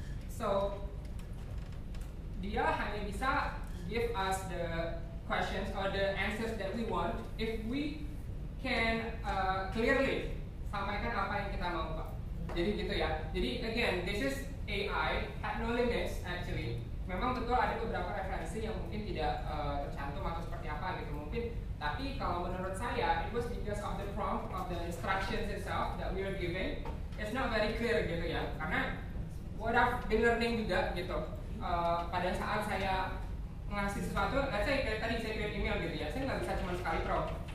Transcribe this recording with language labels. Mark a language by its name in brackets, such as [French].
[English] So, [Indonesian] dia hanya bisa [English] give us the questions or the answers that we want if we can clearly [Indonesian] sampaikan apa yang kita mau, Pak. [English] Jadi gitu ya. Jadi, again, this is AI, had no limits actually. [Indonesian] Memang betul ada beberapa referensi yang mungkin tidak tercantum atau seperti apa gitu mungkin. Tapi kalau menurut saya, [English] it was because of the prompt of the instructions itself that we are giving, it's not very clear gitu ya. [Indonesian] Karena [English] what I've been learning [Indonesian] juga gitu, pada saat saya ngasih sesuatu, [English] let's say [Indonesian] tadi saya kirim email gitu ya, saya nggak bisa cuma sekali prompt.